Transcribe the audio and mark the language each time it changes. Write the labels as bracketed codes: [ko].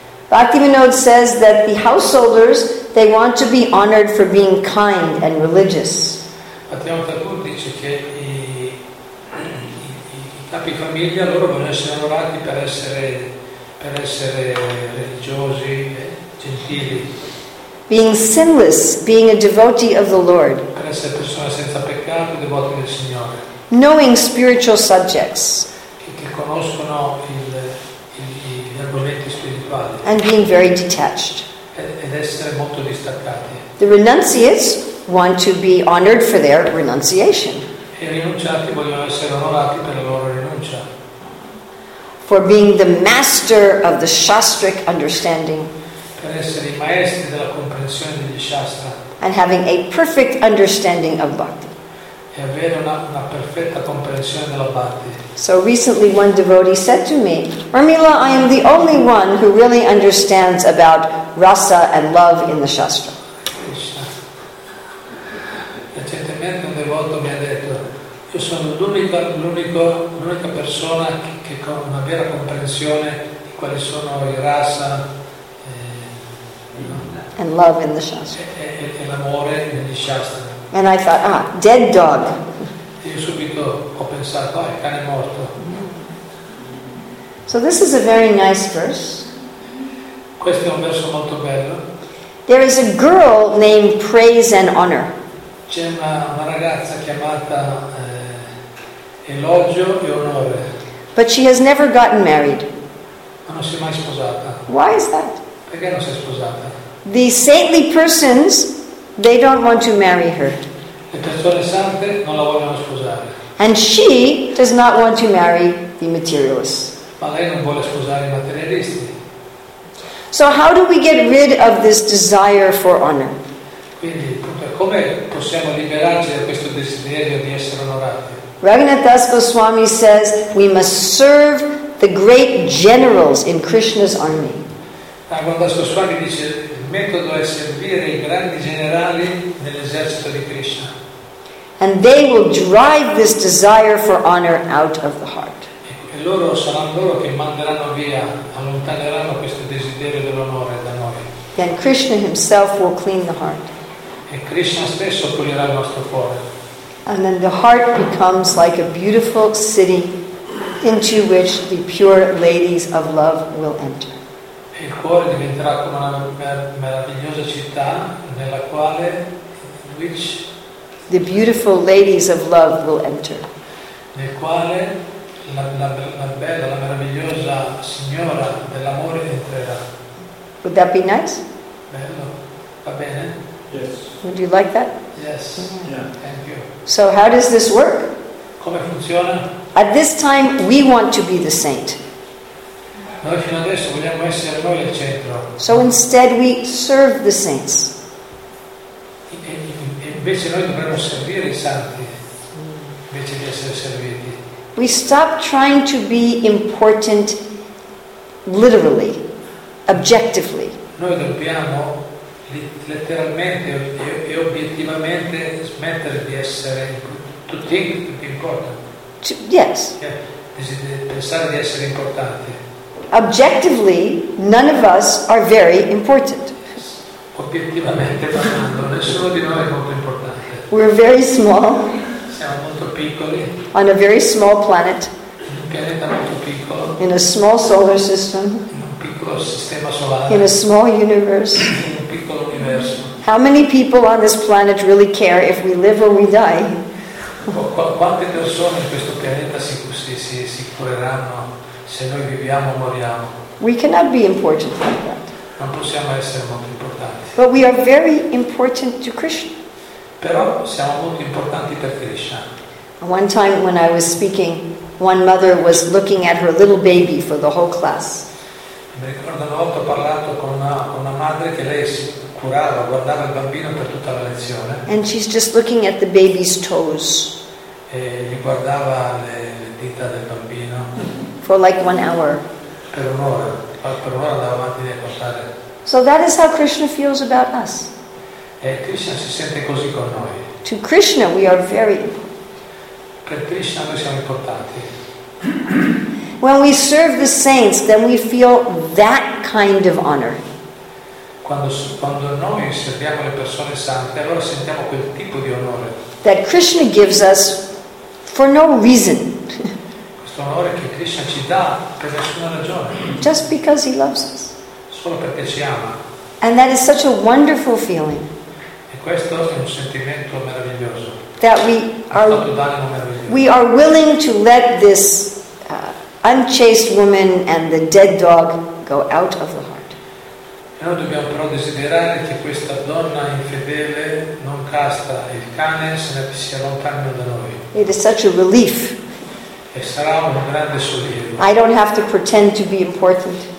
[en] Bhaktivinoda says that the householders, they want to be honored for being kind and religious. [it] Bhaktivinoda Thakura dice che i capi famiglia loro vogliono essere onorati per essere religiosi e gentili. [en] being sinless, being a devotee of the Lord. [it] Per essere persona senza peccato, devoti del Signore. [en] Knowing spiritual subjects. [it] Che conoscono gli argomenti spirituali. [en] And being very detached. [it] Ed essere molto distaccati. [en] The renunciates want to be honored for their renunciation. [it] I rinunciati vogliono essere onorati per la loro rinuncia. [en] For being the master of the Shastric understanding. [it] Per essere i maestri della comprensione degli Shastra. [en] And having a perfect understanding of Bhakti. [it] E avere una perfetta comprensione della Bhakti. [en] So recently one devotee said to me, Urmila, I am the only one who really understands about rasa and love in the Shastra. [it] Recentemente un devoto mi ha detto, io sono l'unica persona che con una vera comprensione di quali sono i rasa [en] and love in the Shastra. [it] E l'amore negli Shastra. [en] And I thought, dead dog. [it] Io subito ho pensato, il cane morto. [en] So this is a very nice verse. [it] Questo è un verso molto bello. [en] There is a girl named Praise and Honor. [it] C'è una ragazza chiamata Elogio e Onore. [en] But she has never gotten married. [it] Ma non si è mai sposata. [en] Why is that? [it] Perché non si è sposata? [en] The saintly persons, they don't want to marry her. [it] Le persone sante non la vogliono sposare. [en] And she does not want to marry the materialists. [it] Ma lei non vuole sposare i materialisti. [en] So how do we get rid of this desire for honor? [it] Quindi, come possiamo liberarci da questo desiderio di essere onorati? [en] Raghunath Das Goswami says we must serve the great generals in Krishna's army. [it] Raghunath Das Goswami dice il metodo è servire i grandi generali nell'esercito di Krishna. [en] And they will drive this desire for honor out of the heart. [it] E loro saranno loro che manderanno via, allontaneranno questo desiderio dell'onore da noi. [en] Then Krishna himself will clean the heart. [it] E Krishna stesso pulirà il nostro cuore. [en] And then the heart becomes like a beautiful city into which the pure ladies of love will enter. [it] Il cuore diventerà come una meravigliosa città nella quale [en] the beautiful ladies of love will enter. [it] Nel quale la bella, la meravigliosa signora dell'amore entrerà. [en] Would that be nice? [it] Bello. Va bene? [en] Yes. Would you like that? Yes. Mm-hmm. Yeah. Thank you. So how does this work? [it] Come funziona? [en] At this time, we want to be the saint. [it] Noi fino adesso vogliamo essere noi il centro. [en] So instead, we serve the saints. [it] Invece noi dovremmo servire i santi, invece di essere serviti. [en] We stop trying to be important, literally, objectively. [it] Noi dobbiamo letteralmente e obiettivamente smettere di essere pensare di essere importanti. [en] Objectively, none of us are very important. [it] Obiettivamente parlando, nessuno di noi è molto importante. [en] We're very small. [it] Siamo molto piccoli. [en] On a very small planet. [it] Un pianeta molto piccolo. [en] In a small solar system. [it] In un piccolo sistema solare. [en] In a small universe. [it] In un piccolo universo. [en] How many people on this planet really care if we live or we die? [it] Quante persone in questo pianeta si cureranno se noi viviamo o moriamo? [en] We cannot be important like that. [it] Non possiamo essere molto importanti. [en] But we are very important to Krishna. [it] Però siamo molto importanti per Krishna. [en] One time when I was speaking, one mother was looking at her little baby for the whole class. [it] Mi ricordo una volta ho parlato con una madre che lei si curava, guardava il bambino per tutta la lezione. [en] And she's just looking at the baby's toes. [it] E gli guardava le dita del bambino. [en] For like 1 hour. [it] Per un'ora andava avanti a guardare. [en] So that is how Krishna feels about us. [it] E Krishna si sente così con noi. [en] To Krishna we are very [it] Per Krishna noi siamo importanti. [en] When we serve the saints, then we feel that kind of honor. [it] Quando noi serviamo le persone sante, allora sentiamo quel tipo di onore. [en] That Krishna gives us for no reason. [it] Questo onore che Krishna ci dà per nessuna ragione. [en] Just because he loves us. [it] Solo perché ci ama. [en] And that is such a wonderful feeling. [it] E questo è un sentimento meraviglioso. [en] That we are willing to let this unchaste woman and the dead dog go out of the heart. [it] E noi dobbiamo però desiderare che questa donna infedele, non casta, il cane se ne sia lontano da noi. [en] It is such a relief. [it] E sarà un grande sollievo. [en] I don't have to pretend to be important.